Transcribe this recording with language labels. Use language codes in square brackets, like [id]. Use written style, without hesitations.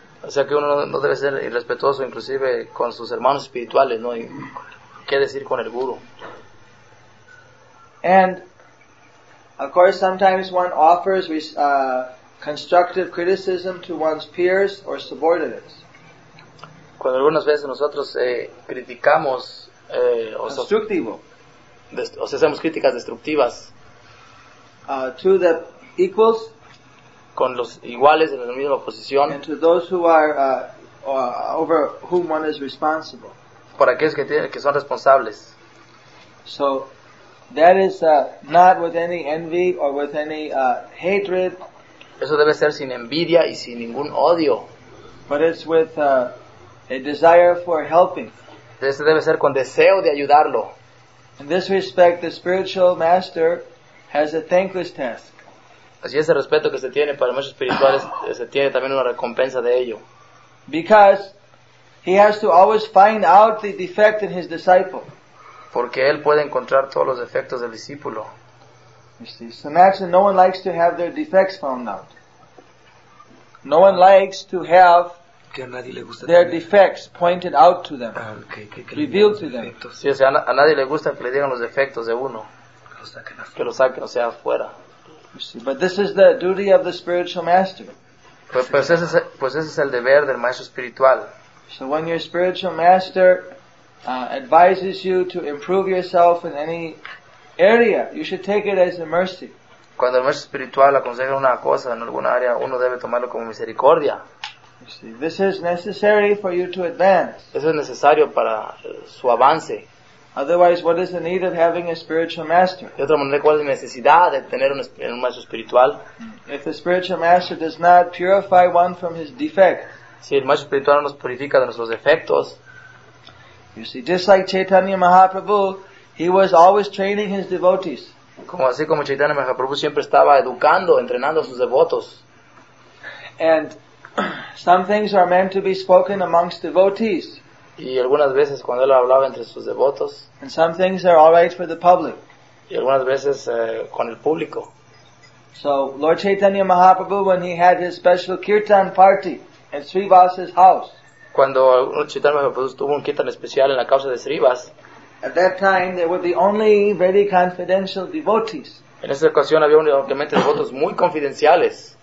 [es] O sea que uno no debe ser irrespetuoso, inclusive con sus hermanos espirituales, ¿no? ¿Qué decir con el guru? [en] And of course, sometimes one offers constructive criticism to one's peers or subordinates. [es] Cuando algunas veces nosotros criticamos constructivo. O sea, hacemos críticas destructivas [en] to the equals, [es] con los iguales en la misma posición, [en] and to those who are over whom one is responsible, [es] para aquellos que son responsables. [en] So that is not with any envy or with any hatred. [es] Eso debe ser sin envidia y sin ningún odio, [en] but it's with a desire for helping. [es] Eso debe ser con deseo de ayudarlo. [en] In this respect, the spiritual master has a thankless task. [es] Así ese respeto que se tiene para los maestros espirituales, se tiene también una recompensa de ello. [en] Because he has to always find out the defect in his disciple. [es] Porque él puede encontrar todos los defectos del discípulo. [en] You see, so naturally, no one likes to have their defects found out. No one likes to have [es] que a nadie le gusta [en] their [es] tener [en] defects pointed out to them, revealed to them. [es] Sí, o sea, a nadie le gusta que le digan los defectos de uno, que lo saquen, o sea, afuera. [en] But this is the duty of the spiritual master. [es] Pues ese es el deber del maestro espiritual. [en] So when your spiritual master advises you to improve yourself in any area, you should take it as a mercy. [es] Cuando el maestro espiritual aconseja una cosa en alguna área, uno debe tomarlo como misericordia. [en] You see, this is necessary for you to advance. [es] Eso es necesario para su avance. [en] Otherwise, what is the need of having a spiritual master? [es] De otra manera, ¿cuál es la necesidad de tener un maestro espiritual? [en] If the spiritual master does not purify one from his defect, [es] si el maestro espiritual no nos purifica de nuestros defectos, [en] you see, just like Chaitanya Mahaprabhu, he was always training his devotees. [es] Así como Chaitanya Mahaprabhu siempre estaba educando, entrenando a sus devotos. [en] And some things are meant to be spoken amongst devotees. [es] Y algunas veces cuando él hablaba entre sus devotos. [en] And some things are all right for the public. [es] Y algunas veces con el público. [en] So Lord Chaitanya Mahaprabhu, when he had his special kirtan party at Srivas's house. [es] Cuando Lord Chaitanya Mahaprabhu tuvo un kirtan especial en la casa de Srivas. [en] At that time there were the only very confidential devotees. [es] En esa ocasión había únicamente devotos muy confidenciales.